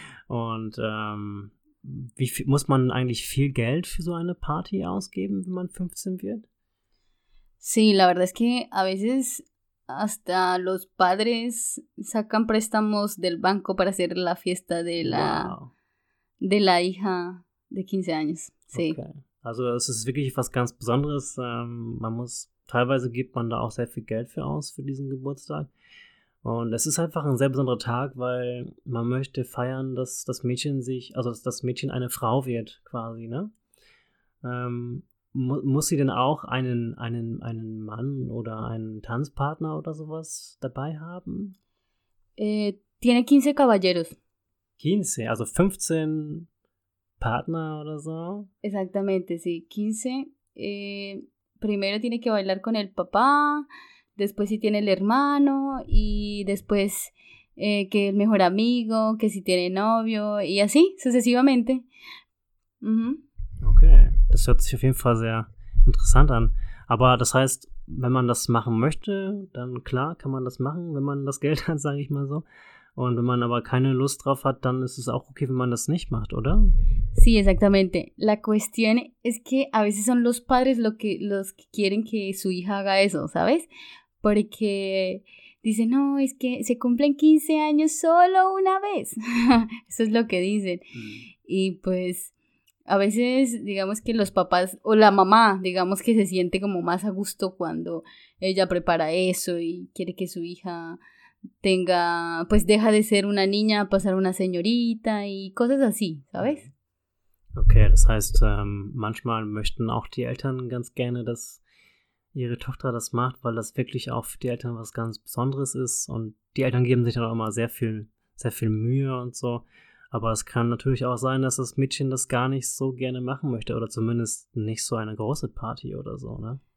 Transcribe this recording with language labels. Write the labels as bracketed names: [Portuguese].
[German] Und wie viel, muss man eigentlich viel Geld für so eine Party ausgeben, wenn man 15 wird? [Spanish] Sí, la verdad es que a veces hasta los padres sacan préstamos del banco para hacer la fiesta de la, de la hija de 15 años. Sí. Okay. [German] Also es ist wirklich was ganz Besonderes. Man muss, teilweise gibt man da auch sehr viel Geld für aus, für diesen Geburtstag. Und es ist einfach ein sehr besonderer Tag, weil man möchte feiern, dass das Mädchen sich, also dass das Mädchen eine Frau wird, quasi, ne? Muss sie denn auch einen Mann oder einen Tanzpartner oder sowas dabei haben? [Spanish] Tiene 15 caballeros. [German] 15, also 15 Partner oder so? [Spanish] Exactamente, sí, 15. Primero tiene que bailar con el papá, después si tiene el hermano, y después que el mejor amigo, que si tiene novio, y así sucesivamente. [German] Okay, das hört sich auf jeden Fall sehr interessant an. Aber das heißt, wenn man das machen möchte, dann klar kann man das machen, wenn man das Geld hat, sage ich mal so. Und wenn man aber keine Lust drauf hat, dann ist es auch okay, wenn man das nicht macht, oder? [Spanish] Sí, exactamente. La cuestión es que a veces son los padres los que quieren que su hija haga eso, ¿sabes? Porque dicen, no, es que se cumplen 15 años solo una vez. Eso es lo que dicen. Mm. Y pues a veces, digamos que los papás o la mamá, digamos que se siente como más a gusto cuando ella prepara eso y quiere que su hija tenga, pues deja de ser una niña a pasar una señorita y cosas así, ¿sabes? [German] Okay, das heißt, manchmal möchten auch die Eltern ganz gerne, dass ihre Tochter das macht, weil das wirklich auch für die Eltern was ganz Besonderes ist. Und die Eltern geben sich dann auch immer sehr viel Mühe und so. Aber es kann natürlich auch sein, dass das Mädchen das gar nicht so gerne machen möchte oder zumindest nicht so eine große Party oder so, ne?